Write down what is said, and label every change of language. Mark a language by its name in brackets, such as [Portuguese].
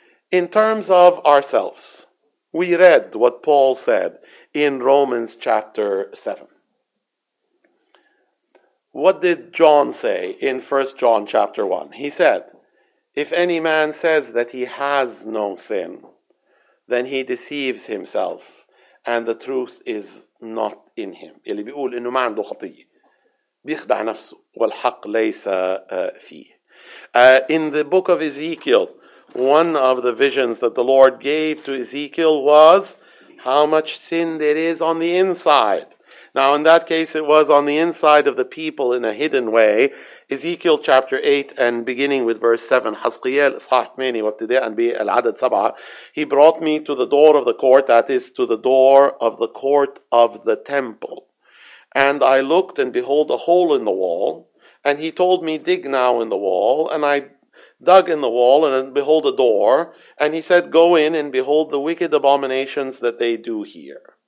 [English] In terms of ourselves, we read what Paul said in Romans chapter 7. What did John say in 1 John chapter 1? He said, "If any man says that he has no sin, then he deceives himself, and the truth is not in him." [Arabic] اللي بيقول إنه ما عنده خطية بيخدع نفسه والحق ليس فيه. [English] In the book of Ezekiel, one of the visions that the Lord gave to Ezekiel was how much sin there is on the inside. Now in that case it was on the inside of the people in a hidden way. Ezekiel chapter 8 and beginning with verse 7, [Arabic] حزقيال إصحاح 8 وابتداء بالعدد 7, [English] "He brought me to the door of the court," that is to the door of the court of the temple, "and I looked and behold a hole in the wall, and he told me, dig now in the wall, and I dug in the wall and behold a door, and he said, go in and behold the wicked abominations that they do here.